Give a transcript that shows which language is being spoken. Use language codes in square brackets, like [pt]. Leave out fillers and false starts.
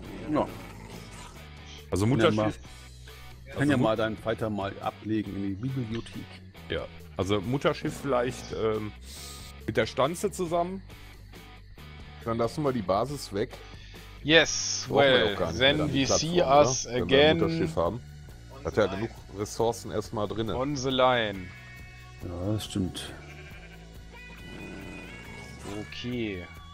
[de] Ja. Also Mutterschiff. Ich kann ja mal deinen Fighter mal ablegen in die Bibliothek. Ja, also Mutterschiff vielleicht mit der Stanze zusammen. Dann lassen wir die Basis weg. [en] Yes, well, then we see us again. [de] Wenn wir Mutterschiff haben. Hat ja genug Ressourcen erstmal drin. [en] On the line. [de] Ja, das stimmt. Okay.